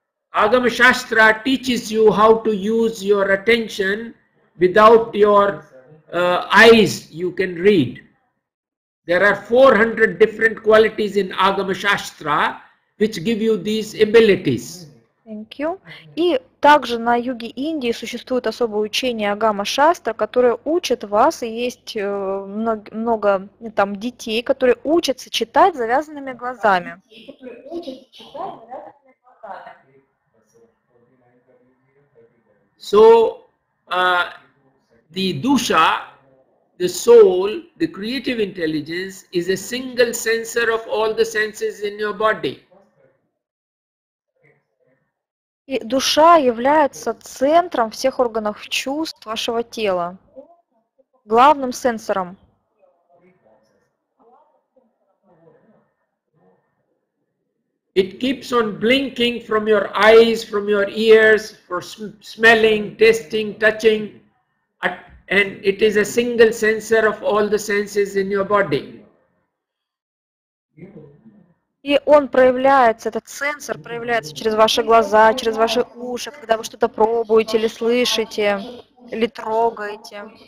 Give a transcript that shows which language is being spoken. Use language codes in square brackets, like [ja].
[en] Agama Shastra teaches you how to use your attention without your eyes, you can read. There are 400 different qualities in Agama Shastra, which give you these abilities. Thank you. [ru] И также на юге Индии существует особое учение Агама Шастра, которое учит вас, и есть много там детей, которые учатся читать завязанными глазами. [en] So, the dusha, the soul, the creative intelligence is a single sensor of all the senses in your body. [ru] И душа является центром всех органов чувств вашего тела, главным сенсором. [en] It keeps on blinking from your eyes, from your ears, for smelling, tasting, touching. And it is a single sensor of all the senses in your body. [ru] И он проявляется, этот сенсор проявляется через ваши глаза, через ваши уши, когда вы что-то пробуете или слышите, или трогаете.